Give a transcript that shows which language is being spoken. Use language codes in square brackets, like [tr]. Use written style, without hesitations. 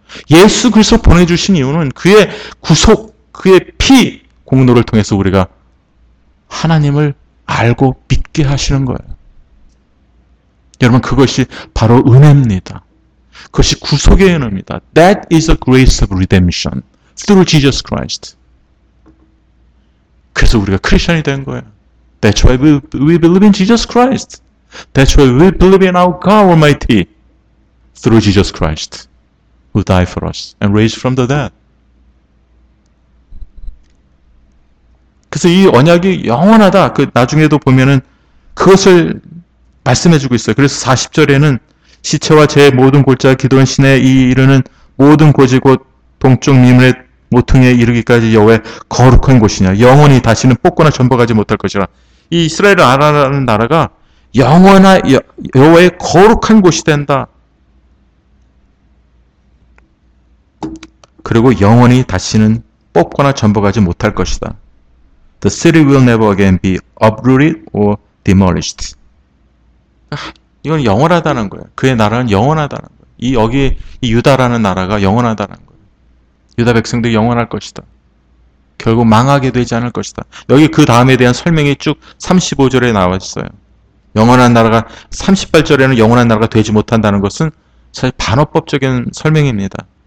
[ko] 예수 그리스도 보내주신 이유는 그의 구속, 그의 피 공로를 통해서 우리가 하나님을 알고 믿게 하시는 거예요. 여러분, 그것이 바로 은혜입니다. 그것이 구속의 은혜입니다. [en] That is the grace of redemption through Jesus Christ. [ko] 그래서 우리가 크리스천이 된 거예요. [en] That's why we believe in Jesus Christ. That's why we believe in our God Almighty through Jesus Christ who died for us and raised from the dead. [ko] 그래서 이 언약이 영원하다. 그 나중에도 보면은 그것을 말씀해주고 있어요. 그래서 40절에는 시체와 제 모든 골짜 기도원 신에 이르는 모든 곳이 곧 동쪽 미문의 모퉁이에 이르기까지 여호와의 거룩한 곳이냐. 영원히 다시는 뽑거나 전복하지 못할 것이라. 이 이스라엘을 아라라는 나라가 영원한 여호와의 거룩한 곳이 된다. 그리고 영원히 다시는 뽑거나 전복하지 못할 것이다. [en] The city will never again be uprooted or demolished. [ko] 이건 영원하다는 거예요. 그의 나라는 영원하다는 거예요. 이 여기 이 유다라는 나라가 영원하다는 거예요. 유다 백성들이 영원할 것이다. 결국 망하게 되지 않을 것이다. 여기 그 다음에 대한 설명이 쭉 35절에 나와 있어요. 영원한 나라가 38절에는 영원한 나라가 되지 못한다는 것은 사실 반어법적인 설명입니다.